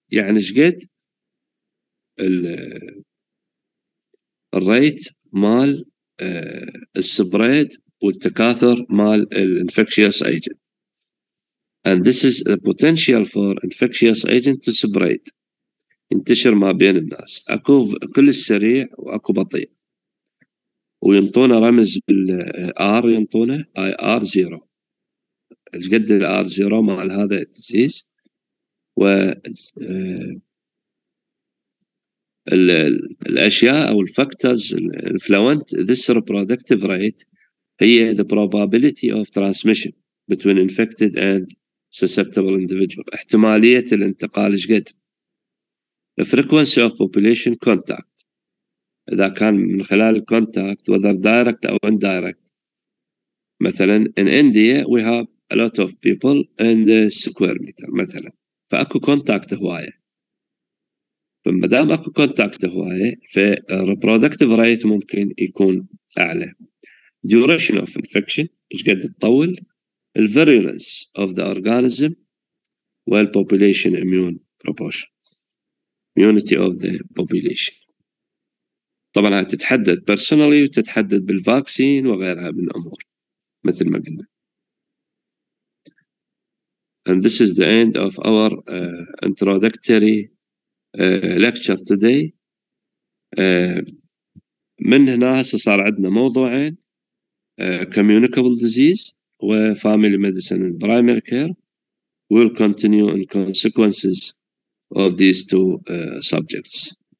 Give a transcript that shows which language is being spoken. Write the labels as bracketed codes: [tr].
[ar] يعني شقد الريت مال السبريد والتكاثر مال الانفكشيوس ايجنت. [en] And this is the potential for infectious agent to spread. [ar] ينتشر ما بين الناس. اكو كل السريع واكو بطيء. وينطونا رمز بالR ينطونا IR0. ايش قد الR0 مال هذا التزيز. و الاشياء او الفاكتورز الانفلونت [en] this reproductive rate هي the probability of transmission between infected and susceptible individual. [ar] احتمالية الانتقال شقد. [en] The frequency of population contact. [ar] إذا كان من خلال [en] contact whether direct or indirect. مثلا in India we have a lot of people in the square meter مثلا. [ar] فأكو contact هواية. فمدام أكو contact هواية فreproductive rate ممكن يكون أعلى. [en] Duration of infection is [ar] قد تطول. [en] The virulence of the organism well population immune proportion. Immunity of the population. [ar] طبعا تتحدد personally وتتحدد بالفاكسين وغيرها من الأمور مثل ما قلنا. [en] And this is the end of our introductory lecture today. [ar] من هنا صار عندنا موضوعين. [en] Communicable disease و family medicine and primary care will continue in consequences of these two subjects.